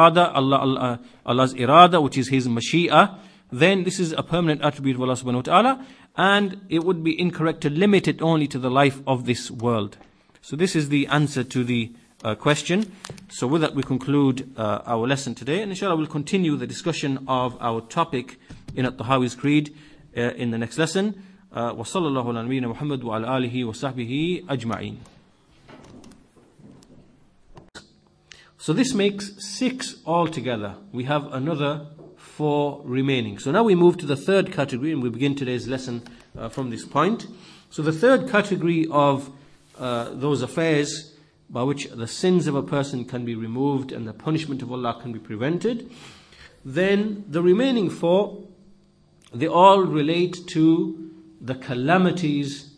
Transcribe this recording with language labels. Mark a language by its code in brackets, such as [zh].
[en] Allah's irada, which is His mashi'a, then this is a permanent attribute of Allah subhanahu wa ta'ala, and it would be incorrect to limit it only to the life of this world. So this is the answer to the question. So with that, we conclude our lesson today, and inshallah we'll continue the discussion of our topic in At-Tahawi's Creed in the next lesson. [ar] وصلى الله على نبينا محمد وعلى آله وصحبه أجمعين. [en] So this makes six altogether. We have another four remaining. So now we move to the third category, and we begin today's lesson from this point. So the third category of those affairs by which the sins of a person can be removed and the punishment of Allah can be prevented, then the remaining four, they all relate to the calamities